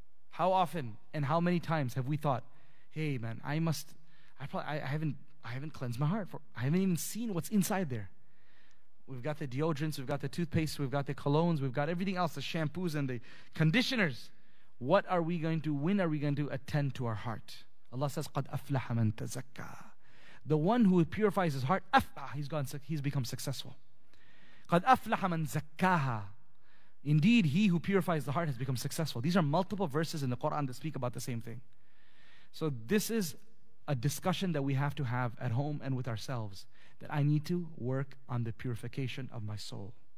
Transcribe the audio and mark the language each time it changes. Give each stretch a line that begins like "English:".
English: How often and how many times have we thought, hey man, I haven't even seen what's inside there. We've got the deodorants, we've got the toothpaste, we've got the colognes, we've got everything else, the shampoos and the conditioners. When are we going to attend to our heart? Allah says,
Arabic: قَدْ أَفْلَحَ مَنْ تَزَكَّى.
English: The one who purifies his heart, he's become successful.
Arabic: قَدْ أَفْلَحَ مَنْ زَكَّاهَا.
English: Indeed, he who purifies the heart has become successful. These are multiple verses in the Quran that speak about the same thing. So this is a discussion that we have to have at home and with ourselves, that I need to work on the purification of my soul.